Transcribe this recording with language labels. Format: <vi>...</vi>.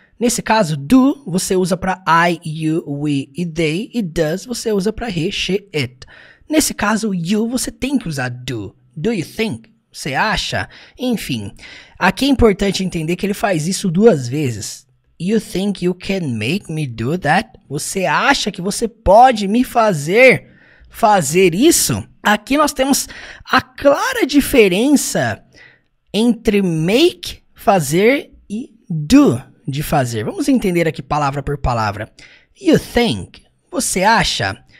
<pt>Nesse caso, do você usa para I, you, we e they, e does você usa para he, she, it. Nesse caso, you, você tem que usar do.</pt> <en>Do you think?</en> <pt>Você acha? Enfim, aqui é importante entender que ele faz isso duas vezes.</pt> <en>You think you can make me do that?</en> <pt>Você acha que você pode me fazer isso? Aqui nós temos a clara diferença entre make, fazer, e do, de fazer. Vamos entender aqui palavra por palavra.</pt> <en>You think,</en> <pt>você acha...</pt>